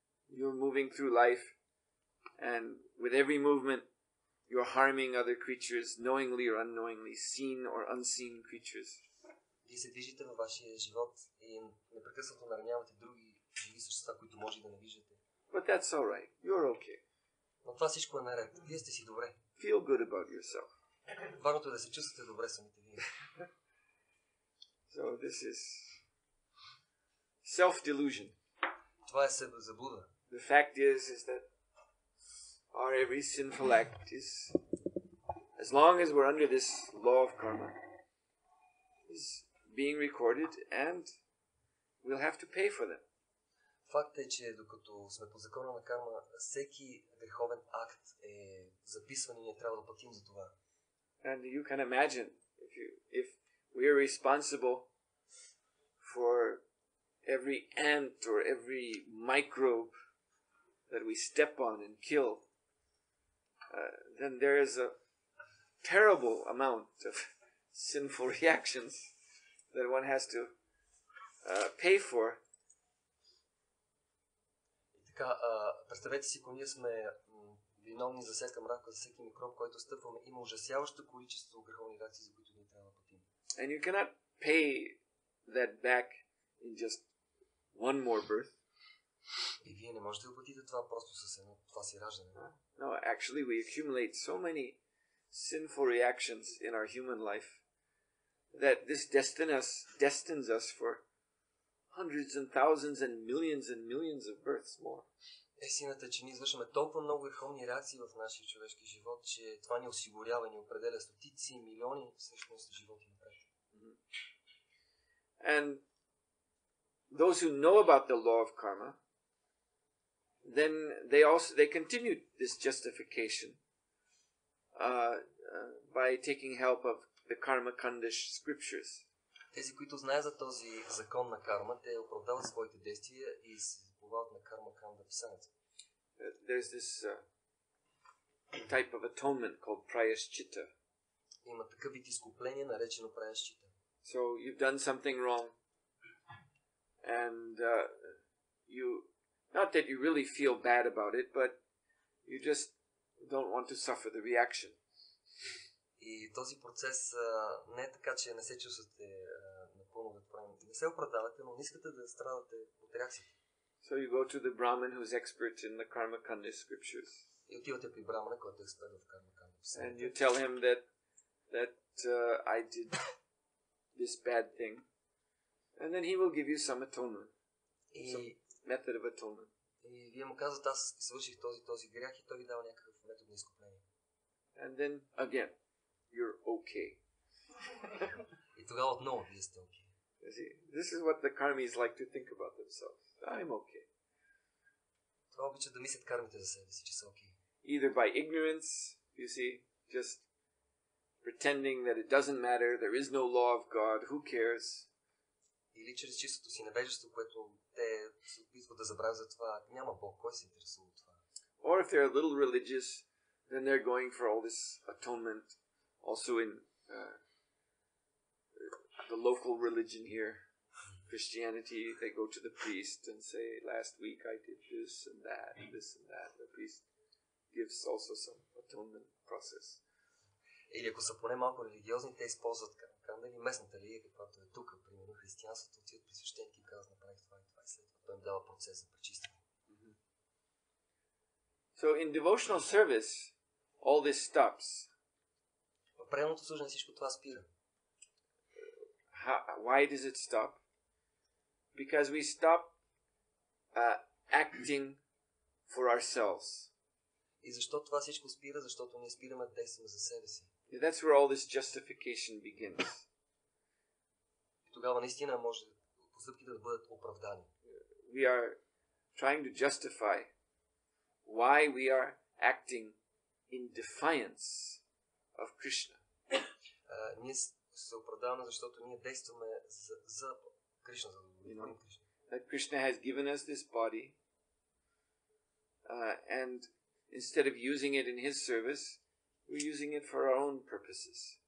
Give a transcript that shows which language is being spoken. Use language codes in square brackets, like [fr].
[en] You're moving through life, and with every movement, you're harming other creatures, knowingly or unknowingly, seen or unseen creatures. [bg] Вие се движите във вашия живот и непрекъснато наранявате други живи същества, които може да не виждате. [en] But that's all right. You're okay. [bg] Но това всичко е наред. Вие сте си добре. [en] Feel good about yourself. [bg] Важното е да се чувствате добре самите вие. [en] So this is self-delusion. [bg] Това е себезаблуда. [en] The fact is that our every sinful act is, as long as we're under this law of karma, is being recorded and we'll have to pay for them. [bg] Факт е, че докато сме по закона на карма, всеки греховен акт е записван и ние трябва да платим за това. [en] And you can imagine if we are responsible for every ant or every microbe that we step on and kill, then there is a terrible amount of sinful reactions that one has to pay for. [bg] Така, представете си, ако ние сме виновни за всяка мрака, за всеки микроб, който стъпваме, има ужасяващо количество греховни реакции, за които ние трябва да платим. [en] And you cannot pay that back in just one more birth. [bg] И вие не можете да платите това просто с едно това си раждане. [en] No, actually we accumulate so many sinful reactions in our human life that this destines us for hundreds and thousands and millions of births more. [bg] Истината е, че ние извършваме толкова много греховни реакции в нашия човешки живот, че това ни осигурява и ни определя стотици и милиони всъщност животи напред. [en] And those who know about the law of karma, then they continue this justification by taking help of the karmakandish scriptures. [bg] Тези, които знаят за този закон на карма, те оправдават своите действия и се повалят на кармаканда писанието. [en] There's this type of atonement called prayaschitta. [bg] Има такъв вид изкупление, наречено prayaschitta. [en] So you've done something wrong, and you, not that you really feel bad about it, but you just don't want to suffer the reaction. [bg] И този процес не е така, че не се чувствате напълно отправен. Не се оправдавате, но не искате да страдате от реакциите. [en] So you go to the Brahmin who's expert in the Karmakanda scriptures. [bg] И отивате при Брамана, който е експерт в Кармаканда. [en] And you tell him that I did this bad thing. And then he will give you some atonement. Method of atonement. [bg] И вие му казвате, аз свърших този грях и той ви дава някакъв метод на изкупление. [en] And then again, you're okay. [bg] И тогава отново вие сте okay. [en] You see, this is what the karmis like to think about themselves. I'm okay. [bg] Това обичат да мислят кармите за себе си, че са окей. [en] Either by ignorance, you see, just pretending that it doesn't matter, there is no law of God, who cares? [bg] Или чрез чистото си невежество, което те се опитват да забравят за това, няма Бог, кой се интересува от това? [en] Or if they're a little religious, then they're going for all this atonement, also in the local religion here, Christianity, they go to the priest and say, last week I did this and that, and this and that, the priest gives also some atonement process. [bg] Или ако са поне малко религиозни, те използват кандали, местната религия, каквато е тук, примерно християнството, отиват при свещеник и казват, направих това и това и след това, той им дава процес за пречистване. [en] So in devotional service, all this stops. [bg] В преданото служене всичко това спира. [en] Why does it stop? Because we stop acting for ourselves. [bg] И защо това всичко спира? Защото ние спираме да действаме за себе си. [en] Yeah, that's where all this justification begins. [bg] Тогава наистина може постъпките да бъдат оправдани. [en] We are trying to justify why we are acting in defiance of Krishna. [bg] Ние се оправдаваме, защото ние действаме за Кришна, за да говорим Кришна. [en] That Krishna has given us this body and instead of using it in his service, we're using it for our own purposes.